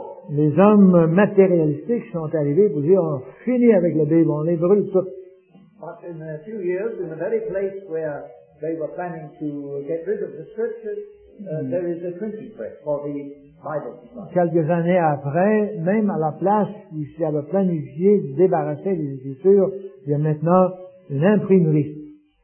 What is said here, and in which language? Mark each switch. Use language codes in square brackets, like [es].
[fr] Les hommes matérialistiques sont arrivés pour dire on finit avec la Bible, on les brûle tout. [en] But in a few years, in the very place where they were planning to get rid of the scriptures, there is a printing press for the [fr] quelques années après, même à la place où il avait planifié de débarrasser les Écritures, il y a maintenant une imprimerie.